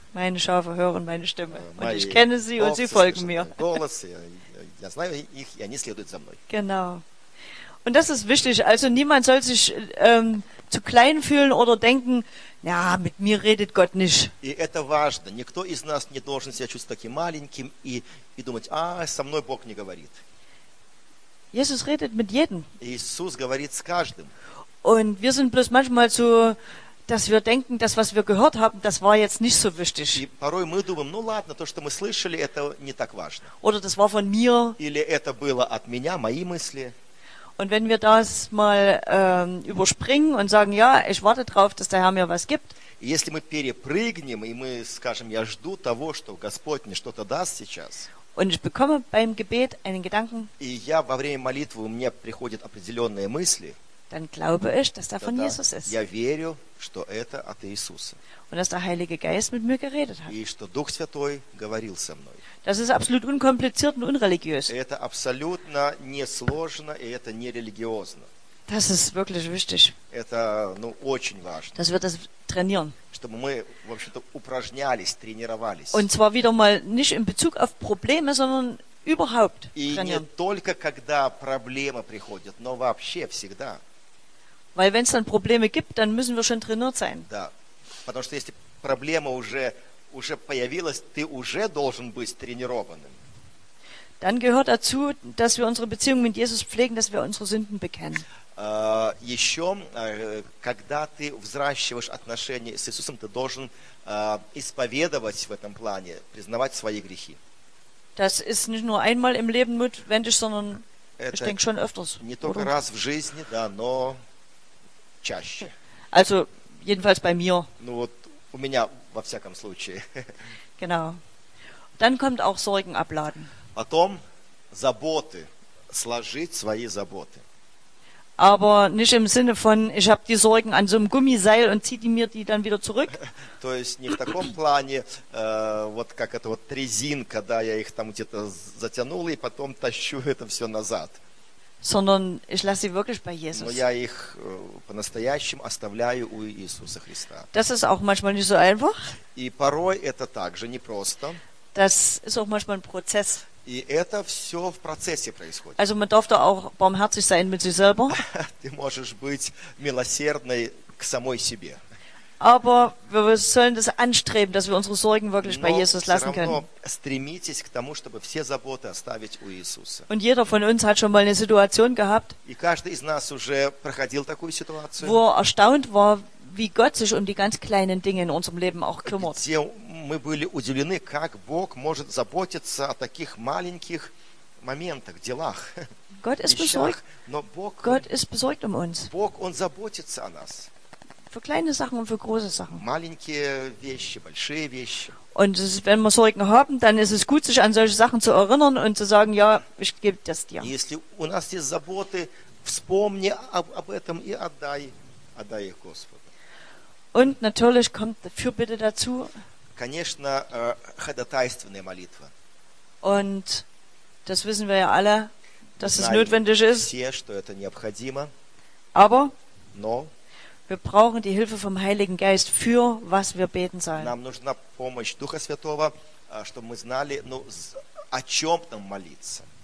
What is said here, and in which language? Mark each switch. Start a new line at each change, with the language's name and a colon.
German: Meine Schafe hören meine Stimme. Und ich kenne sie und sie folgen mir.
Russian: Голос, я знаю их, и они следуют за мной.
German: Genau. Und das ist wichtig. Also niemand soll sich zu klein fühlen oder denken, ja, mit mir redet Gott nicht.
Russian: И это важно. Никто из нас не должен себя чувствовать таким маленьким и думать, а со мной Бог не говорит.
German: Jesus redet mit jedem.
Russian: Иисус говорит с каждым.
German: Und wir sind bloß manchmal zu dass wir denken, das, was wir gehört haben, das war jetzt nicht so wichtig.
Russian: И порой мы думаем, ну ладно, то, что мы слышали, это не так важно.
German: Oder das war von mir.
Russian: Или это было от меня, мои мысли.
German: Und wenn wir das mal überspringen und sagen, ja, ich warte drauf, dass der Herr mir was gibt.
Russian: Если мы перепрыгнем и мы скажем, я жду того, что Господь мне что-то даст сейчас.
German: Und ich bekomme beim Gebet einen Gedanken.
Russian: И я во время молитвы у меня приходят определенные мысли.
German: Dann glaube ich, dass da von Jesus ist.
Russian: Я верю, что это от Иисуса.
German: Und dass der Heilige Geist mit mir geredet hat.
Russian: И что Дух Святой говорил со мной.
German: Das ist absolut unkompliziert und unreligiös.
Russian: Это абсолютно несложно и это не религиозно.
German: Das ist wirklich wichtig.
Russian: Это, ну, очень важно.
German: Dass wir das trainieren.
Russian: Чтобы мы, в общем-то, упражнялись, тренировались.
German: Und zwar wieder mal nicht in Bezug auf Probleme, sondern überhaupt trainieren.
Russian: И не только когда проблемы приходят, но вообще всегда.
German: Weil wenn es dann Probleme gibt, dann müssen wir schon trainiert sein.
Russian: Да. Потому что если проблема уже появилась, ты уже должен быть тренированным.
German: Dann gehört dazu, dass wir unsere Beziehung mit Jesus pflegen, dass wir unsere Sünden bekennen.
Russian: Еще, когда ты взращиваешь отношения с Иисусом, ты должен исповедовать в этом плане, признавать свои грехи.
German: Das ist nicht nur einmal im Leben notwendig, sondern ich denke schon öfters.
Russian: Не только раз в жизни, да, но чаще.
German: Also, jedenfalls bei mir.
Russian: Ну вот, у меня во всяком случае.
German: Genau. Dann kommt auch Sorgen abladen.
Russian: Потом заботы, сложить свои заботы.
German: Aber nicht im Sinne von, ich habe die Sorgen an so einem Gummiseil und ziehe mir die dann wieder zurück.
Russian: То есть не в таком плане, вот как это вот резинка, да, я их там где-то затянул и потом тащу это все назад.
German: Sondern ich lasse sie wirklich bei Jesus.
Russian: Но я их по-настоящему оставляю у Иисуса Христа.
German: Das ist auch manchmal nicht so einfach.
Russian: И порой это также непросто.
German: Das ist auch manchmal ein Prozess.
Russian: И это все в процессе происходит.
German: Also man darf da auch barmherzig sein mit sich selber.
Russian: Ты можешь быть милосердной к самой себе.
German: Aber wir sollen das anstreben, dass wir unsere Sorgen wirklich
Russian: Но
German: bei Jesus lassen können.
Russian: Но все равно стремитесь к тому, чтобы все заботы оставить у Иисуса.
German: Und jeder von uns hat schon mal eine Situation gehabt.
Russian: И каждый из нас уже проходил такую ситуацию.
German: Wo erstaunt war, wie Gott sich um die ganz kleinen Dinge in unserem Leben auch kümmert.
Russian: Где мы были удивлены, как Бог может заботиться о таких маленьких моментах, делах.
German: Gott ist besorgt. Gott ist besorgt um uns.
Russian: Бог, он заботится о нас.
German: Für kleine Sachen und für große Sachen.
Russian: Маленькие вещи, большие вещи.
German: Und wenn wir Sorgen haben, dann ist es gut, sich an solche Sachen zu erinnern und zu sagen, ja, ich gebe das dir.
Russian: Если у нас есть заботы, вспомни об этом и отдай их Господу.
German: Und natürlich kommt Fürbitte dazu.
Russian: Конечно, ходатайственная молитва.
German: Und das wissen wir ja alle, dass
Russian: Знаем
German: es notwendig ist.
Russian: Все, что это необходимо.
German: Aber
Russian: Но
German: wir brauchen die Hilfe vom Heiligen Geist für was wir beten sollen.
Russian: Нам нужна помощь Духа Святого, чтобы мы знали, ну, о чем нам молиться.